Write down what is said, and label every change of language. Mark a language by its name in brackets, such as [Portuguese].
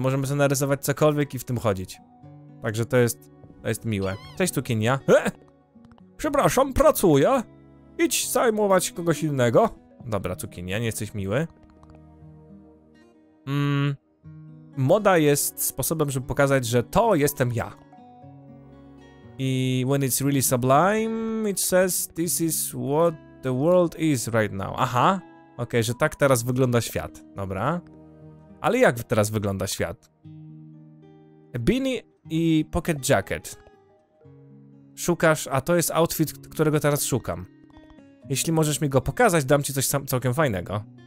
[Polish] Możemy sobie narysować cokolwiek i w tym chodzić. Także to jest miłe. Cześć, cukinia. Przepraszam, pracuję. Idź zajmować kogoś innego. Dobra, cukinia, nie jesteś miły. Moda jest sposobem, żeby pokazać, że to jestem ja. [English] I when it's really sublime, it says this is what the world is right now. [Polish] Aha, okej, że tak teraz wygląda świat. Dobra. Ale jak teraz wygląda świat? A beanie i pocket jacket. Szukasz, a to jest outfit, którego teraz szukam. Jeśli możesz mi go pokazać, dam ci coś całkiem fajnego.